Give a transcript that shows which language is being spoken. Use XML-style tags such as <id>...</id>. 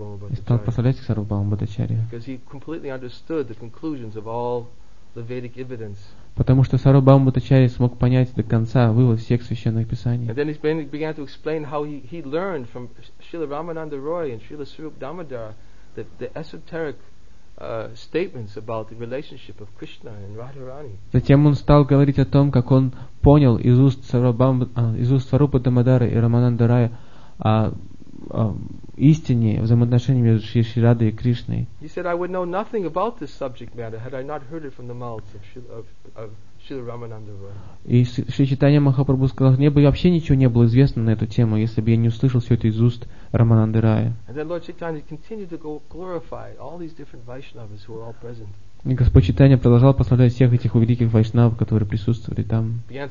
<ru>и стал прославлять Сарвабхаума Бхаттачарья, потому что он полностью понял заключения всех</ru> <en>The Vedic evidence.</en> <ru>Потому что Сарвабхаума Бхаттачарья смог понять до конца вывод всех священных писаний.</ru> <en>And then he began to explain how he learned from Srila Ramananda Roy and Srila Swarup Damodara the esoteric statements about the relationship of Krishna and Radharani.</en> <ru>Затем он стал говорить о том, как он понял из уст Сварупа Дамодары и Рамананда Рая истине взаимоотношения между Шри Радой и Кришной.</ru> <en>He said, "I would know nothing about this subject matter had I not heard it from the mouth of Srila Ramananda Roy."</en> <ru>И Шри Чайтанья Махапрабху сказал, мне бы вообще ничего не было известно на эту тему, если бы я не услышал все это из уст Рамананды Рая.</ru> <en>And then Lord Chaitanya continued to glorify all these different Vaishnavas who were all present.</en> <ru>И Господь Чайтанья продолжал прославлять всех этих великих вайшнав, которые присутствовали там.</ru>